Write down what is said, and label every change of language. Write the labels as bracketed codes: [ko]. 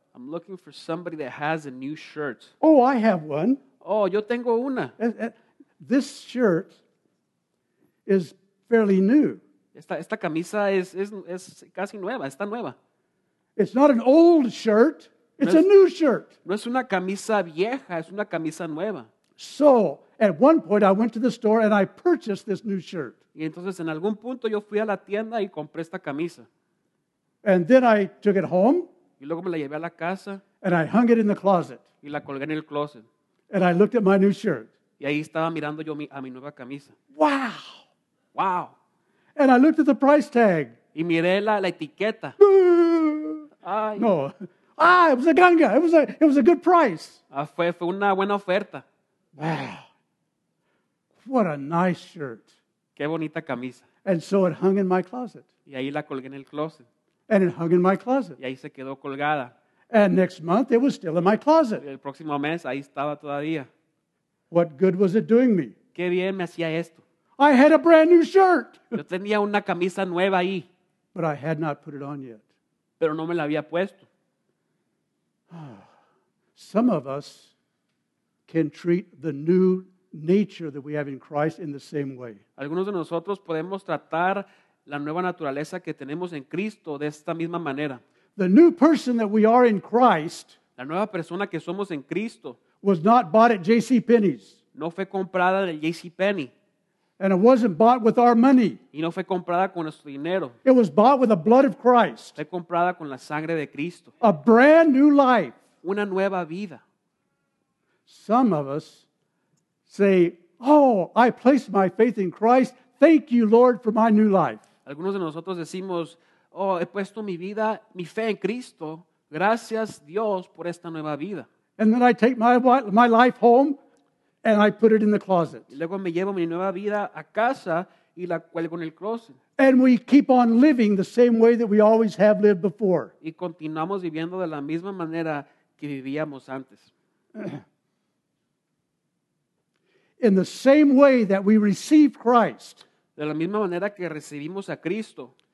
[en] I'm looking for somebody that has a new shirt. Oh, I have one. [es] Oh, yo tengo una. [en] This shirt is fairly new. [es] Esta camisa es casi nueva, está nueva. [en] It's not an old shirt, it's a new shirt. [es] No es una camisa vieja, es una camisa nueva. [en] So, at one point I went to the store and I purchased this new shirt. [es] Y entonces en algún punto yo fui a la tienda y compré esta camisa. [en] And then I took it home. [es] Y luego me la llevé a la casa. [en] And I hung it in the closet. [es] Y la colgué en el closet. [en] And I looked at my new shirt. [es] Y ahí estaba mirando yo a mi nueva camisa. Wow! Wow! [en] And I looked at the price tag. [es] Y miré la etiqueta. [en] Ay. No. Ah, it was a ganga. It was a good price. [es] Ah, fue una buena oferta. [en] Wow. What a nice shirt. [es] Qué bonita camisa. [en] And so it hung in my closet. [es] Y ahí la colgué en el closet. [en] And it hung in my closet. [es] Y ahí se quedó colgada. [en] And next month it was still in my closet. [es] Y el próximo mes ahí estaba todavía. [en] What good was it doing me? [es] Qué bien me hacía esto. [en] I had a brand new shirt. [es] Yo tenía una camisa nueva ahí. [en] But I had not put it on yet. [es] Pero no me la había puesto. [en] Some of us can treat the new nature that we have in Christ in the same way. [es] Algunos de nosotros podemos tratar la nueva naturaleza que tenemos en Cristo de esta misma manera. [en] The new person that we are in Christ, [es] la nueva persona que somos en Cristo, [en] was not bought at J.C. Penney's. [es] No fue comprada en el J.C. Penney. [en] And it wasn't bought with our money. [es] Y no fue comprada con nuestro dinero. [en] It was bought with the blood of Christ. [es] Fue comprada con la sangre de Cristo. [en] A brand new life. [es] Una nueva vida. [en] Some of us say, oh, I placed my faith in Christ. Thank you, Lord, for my new life. [es] Algunos de nosotros decimos, oh, he puesto mi vida, mi fe en Cristo. Gracias, Dios, por esta nueva vida. [en] And then I take my life home. And I put it in the closet. [es] Luego me llevo mi nueva vida a casa y la cuelgo en el closet. [en] And we keep on living the same way that we always have lived before. [es] Y continuamos viviendo de la misma manera que vivíamos antes. [en] In the same way that we receive Christ. [es] De la misma manera que recibimos a Cristo.